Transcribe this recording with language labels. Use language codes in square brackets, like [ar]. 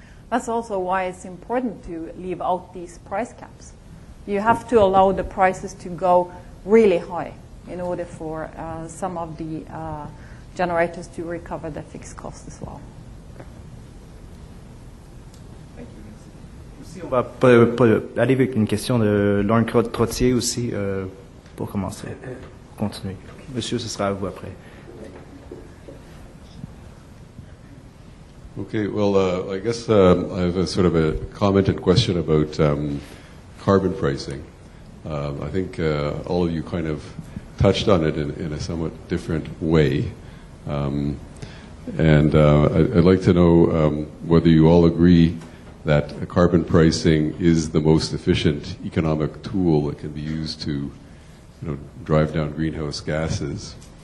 [en] That's also why it's important to leave out these price caps. You have to allow the prices to go really high in order for some of the generators to recover the fixed cost as well. Thank you. [fr] Merci. Aussi, on va aller avec une question de Laurent Trottier aussi pour commencer, pour continuer. Monsieur, ce sera à vous après. [en] Okay, well, I guess I have a sort of a comment and question about carbon pricing. I think all of you kind of touched on it in a somewhat different way. I'd like to know whether you all agree that carbon pricing is the most efficient economic tool that can be used to, you know, drive down greenhouse gases.